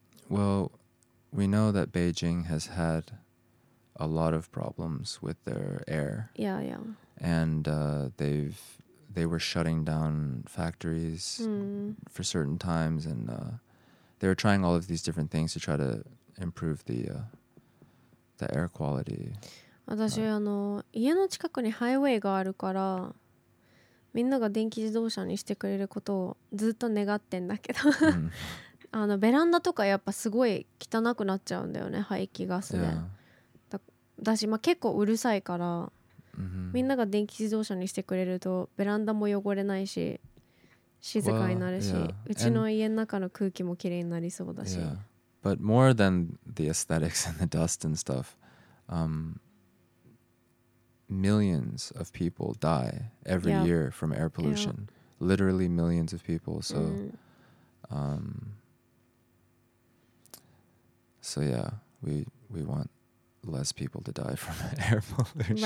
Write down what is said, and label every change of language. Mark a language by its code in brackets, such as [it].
[en] Well, we know that Beijing has had a lot of problems with their air. Yeah, yeah. And they were shutting down factories for certain times, and they were trying all of these different things to try to improve the air quality. [ja] 私あの家の近くにハイウェイがあるからみんなが電気自動車にしてくれることをずっと願ってんだけど、あのベランダとかやっぱすごい汚くなっちゃうんだよね、排気ガスで。だし、まあ結構うるさいから。みんなが電気自動車にしてくれるとベランダも汚れないし静かになるし、うちの家の中の空気もきれいになりそうだし。 [en] But more than the aesthetics and the dust and stuff, millions of people die every year from air pollution. Literally millions of people. So, so yeah, we want less people to die from air pollution.